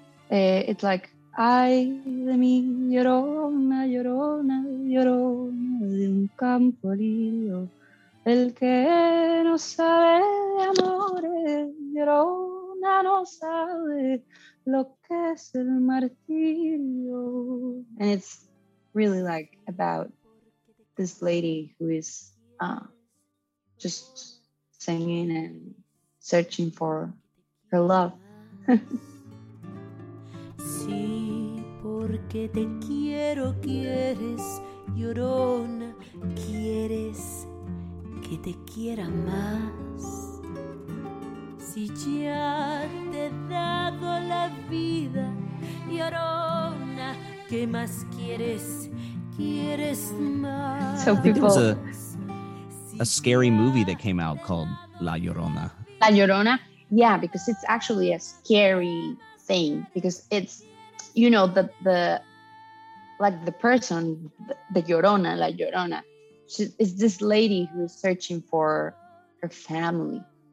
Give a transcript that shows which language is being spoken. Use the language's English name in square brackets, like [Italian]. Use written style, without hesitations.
[English] It's like, [Spanish] ay de mi llorona, llorona, llorona, de un campo lío, el que no sabe de amores, llorona no sabe lo que es el martirio. [English] And it's really like about this lady who is just singing and searching for her love. [Spanish] Sí, porque te quiero, quieres, llorona, quieres que te quiera más. Si ya te he dado la vida, llorona, ¿qué más quieres? ¿Quieres más? [English] So people, I think there was a scary movie that came out called La Llorona. [Spanish] La Llorona? [English] Yeah, because it's actually a scary thing, because it's, you know, the like the person, the Llorona, La Llorona, is this lady who is searching for her family.